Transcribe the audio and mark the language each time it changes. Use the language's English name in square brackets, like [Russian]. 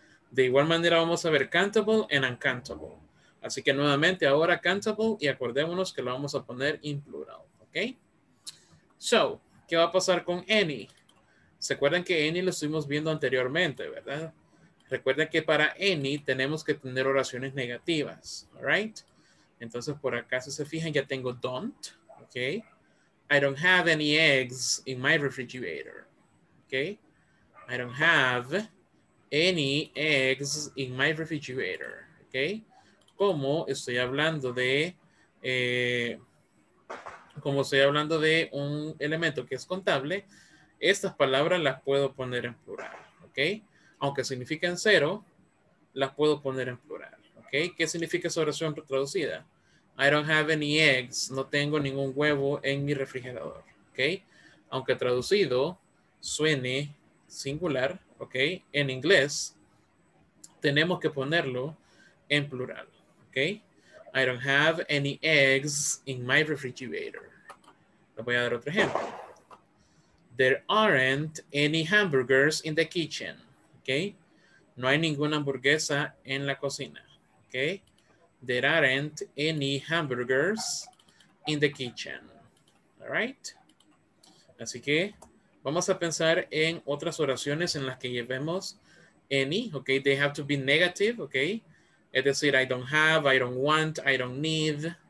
[Spanish] De igual manera vamos a ver countable and uncountable. Así que nuevamente ahora countable y acordémonos que lo vamos a poner [English] in plural, [Spanish] ¿ok? So, ¿qué va a pasar con any? ¿Se acuerdan que any lo estuvimos viendo anteriormente, verdad? Recuerden que para any tenemos que tener oraciones negativas, ¿alright? Entonces por acá si se fijan ya tengo don't, ¿ok? [English] I don't have any eggs in my refrigerator. Okay. I don't have any eggs in my refrigerator. Okay. [Spanish] Como estoy hablando de, como estoy hablando de un elemento que es contable, estas palabras las puedo poner en plural. Okay. Aunque signifiquen cero, las puedo poner en plural. Okay. ¿Qué significa esa oración traducida? [English] I don't have any eggs. [Spanish] No tengo ningún huevo en mi refrigerador. ¿Ok? Aunque traducido suene singular. ¿Ok? En inglés tenemos que ponerlo en plural. ¿Ok? [English] I don't have any eggs in my refrigerator. [Spanish] Le voy a dar otro ejemplo. [English] There aren't any hamburgers in the kitchen. ¿Ok? [Spanish] No hay ninguna hamburguesa en la cocina. ¿Ok? [English] There aren't any hamburgers in the kitchen. All right. [Spanish] Así que vamos a pensar en otras oraciones en las que llevemos any. [English] Okay. They have to be negative. Okay. [Spanish] Es decir, [English] I don't have, I don't want, I don't need.